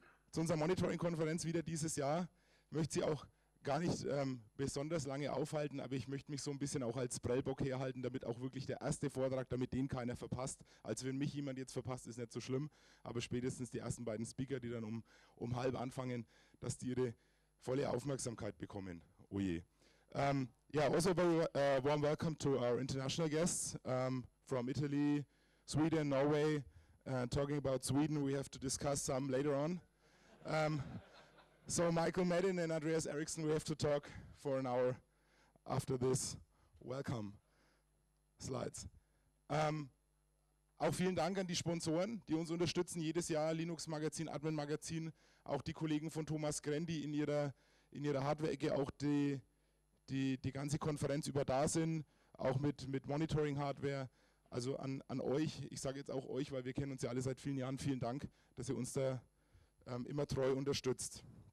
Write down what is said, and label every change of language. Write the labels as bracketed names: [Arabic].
[German] Zu unserer Monitoring-Konferenz wieder dieses Jahr. Ich möchte Sie auch gar nicht besonders lange aufhalten, aber ich möchte mich so ein bisschen auch als Prellbock herhalten, damit auch wirklich der erste Vortrag, damit den keiner verpasst. Also wenn mich jemand jetzt verpasst, ist nicht so schlimm, aber spätestens die ersten beiden Speaker, die dann um halb anfangen, dass die ihre volle Aufmerksamkeit bekommen. Oh je. [English] Also a very warm welcome to our international guests from Italy, Sweden, Norway. Talking about Sweden, we have to discuss some later on. So Michael Madden and Andreas Eriksson, we have to talk for an hour after this welcome slides. [German] Auch vielen Dank an die Sponsoren, die uns unterstützen jedes Jahr, Linux Magazin, Admin Magazin, auch die Kollegen von Thomas Grendi in ihrer Hardware-Ecke, auch die ganze Konferenz über da sind, auch mit Monitoring-Hardware. Also an euch, ich sage jetzt auch euch, weil wir kennen uns ja alle seit vielen Jahren, vielen Dank, dass ihr uns da immer treu unterstützt.